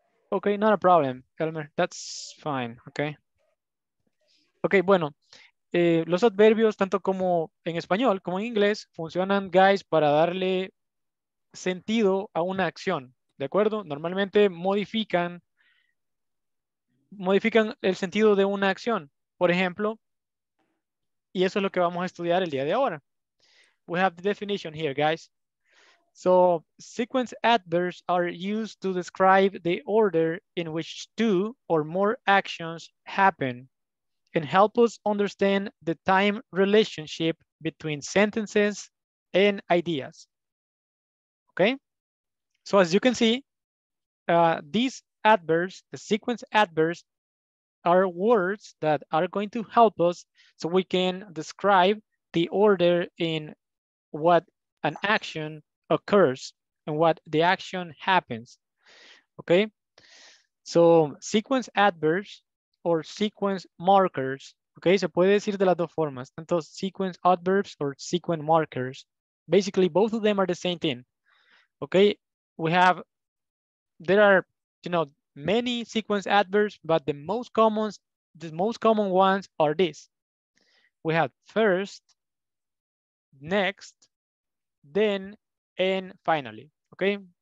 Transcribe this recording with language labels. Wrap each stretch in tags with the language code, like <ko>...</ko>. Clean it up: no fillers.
<en>Okay, not a problem, Elmer. That's fine, okay?</en> <es>Okay, bueno, los adverbios, tanto como en español como en inglés, funcionan, guys, para darle sentido a una acción. ¿De acuerdo? Normalmente modifican el sentido de una acción. Por ejemplo, y eso es lo que vamos a estudiar el día de ahora.</es> <en>We have the definition here, guys. So, sequence adverbs are used to describe the order in which two or more actions happen and help us understand the time relationship between sentences and ideas. Okay? So as you can see, these adverbs, the sequence adverbs, are words that are going to help us so we can describe the order in what an action occurs and what the action happens, okay? So sequence adverbs or sequence markers, okay?</en> <es>Se puede decir de las dos formas, tanto</es> <en>sequence adverbs or sequence markers. Basically, both of them are the same thing, okay? There are, you know, many sequence adverbs, but the most common ones are these. We have first, next, then, and finally, okay?</en>